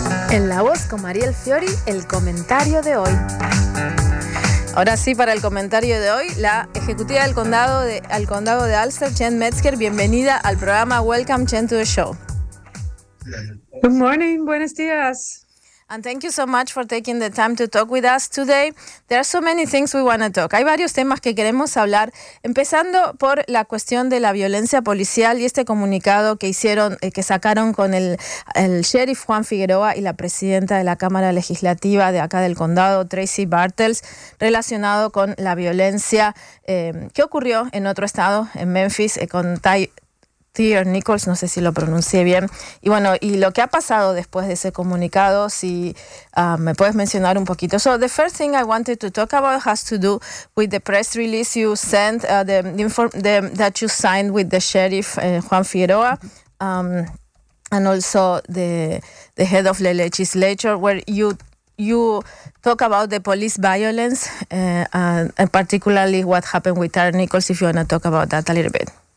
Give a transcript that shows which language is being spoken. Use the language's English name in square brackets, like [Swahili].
[Spanish] En La Voz con Mariel Fiori, el comentario de hoy. Ahora sí, para el comentario de hoy, la ejecutiva del condado de Ulster, Jen Metzger, bienvenida al programa. [English] Welcome, Jen, to the show. Good morning, [Spanish] buenos días. [English] And thank you so much for taking the time to talk with us today. There are so many things we want to talk. [Spanish] Hay varios temas que queremos hablar, empezando por la cuestión de la violencia policial y este comunicado que hicieron, que sacaron con el sheriff Juan Figueroa y la presidenta de la Cámara Legislativa de acá del condado, Tracy Bartels, relacionado con la violencia que ocurrió en otro estado, en Memphis, con Tyre Nichols, no sé si lo pronuncié bien. Y bueno, y lo que ha pasado después de ese comunicado, si me puedes mencionar un poquito. [English] So the first thing I wanted to talk about has to do with the press release you sent, that you signed with the sheriff, Juan Figueroa, and also the head of the legislature, where you talk about the police violence, and particularly what happened with Tyre Nichols, if you want to talk about that a little bit.